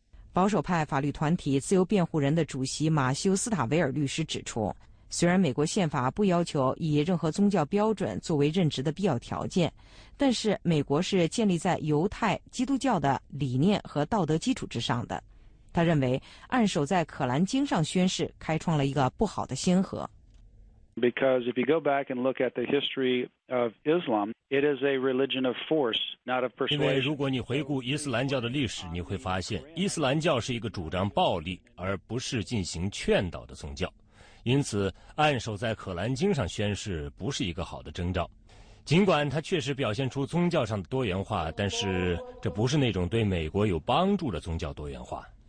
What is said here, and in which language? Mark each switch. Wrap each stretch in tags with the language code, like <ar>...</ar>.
<zh>保守派法律团体自由辩护人的主席马修·斯塔维尔律师指出，虽然美国宪法不要求以任何宗教标准作为任职的必要条件，但是美国是建立在犹太基督教的理念和道德基础之上的。他认为按守在《可兰经》上宣誓开创了一个不好的先河。</zh> <en>Because if you go back and look at the history of Islam, it is a religion of force, not of persuasion.</en> <zh>因为如果你回顾伊斯兰教的历史，你会发现伊斯兰教是一个主张暴力而不是进行劝导的宗教。因此，按守在《可兰经》上宣誓不是一个好的征兆。尽管它确实表现出宗教上的多元化，但是这不是那种对美国有帮助的宗教多元化。</zh>